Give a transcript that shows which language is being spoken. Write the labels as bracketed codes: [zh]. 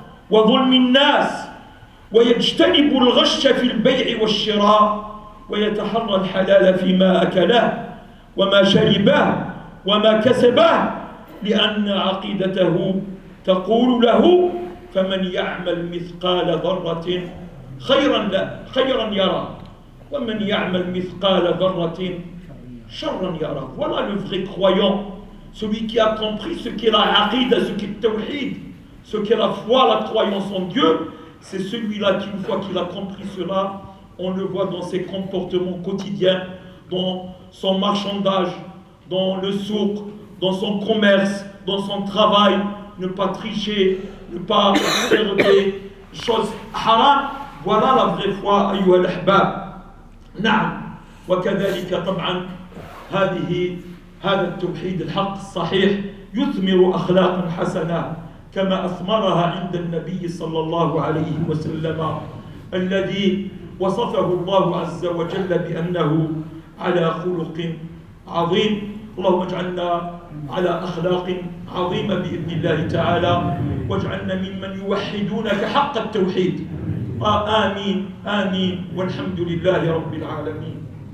[ar] وظلم الناس، ويجتنب الغش في البيع والشراء، ويتحرى الحلال فيما أكله وما شربه وما كسبه، لأن عقيدته تقول له فمن يعمل مثقال ذرة خيرا خيرا يرى ومن يعمل مثقال ذرة شرا يرى. [fr] Voilà le vrai croyant, celui qui a compris ce qu'est la aqida, ce qu'est le tawhid, ce qu'est la foi, la croyance en Dieu, c'est celui-là qui, une fois qu'il a compris cela, on le voit dans ses comportements quotidiens, dans son marchandage, dans le souk, dans son commerce, dans son travail, ne pas tricher, ne pas faire des choses haram. Voilà la vraie foi, [ar] ayouha l'ahbab. Naam. Wa kadhalika tab'an, hadihi, hada tawhid al-haq sahih, yuthmiru akhlaqan hasana, kama athmaraha inda al-Nabi sallallahu alayhi wa sallama, alladhi وصفه الله عز وجل بأنه على خلق عظيم. اللهم اجعلنا على أخلاق عظيمة بإذن الله تعالى، واجعلنا ممن يوحدونك حق التوحيد. آمين آمين، والحمد لله رب العالمين.